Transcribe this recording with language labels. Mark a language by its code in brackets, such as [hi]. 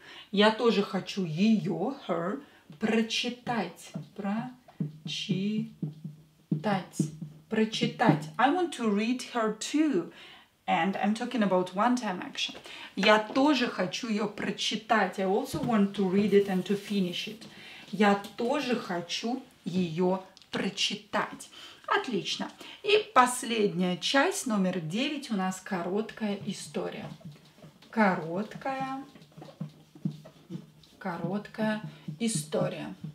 [ru] Я тоже хочу ее, her, прочитать. Прочитать. Прочитать. [en] I want to read her too. And I'm talking about one-time action. [ru] Я тоже хочу ее прочитать. [en] I also want to read it and to finish it. [ru] Я тоже хочу ее прочитать. Отлично. И последняя часть, номер 9, у нас короткая история. Короткая, короткая история.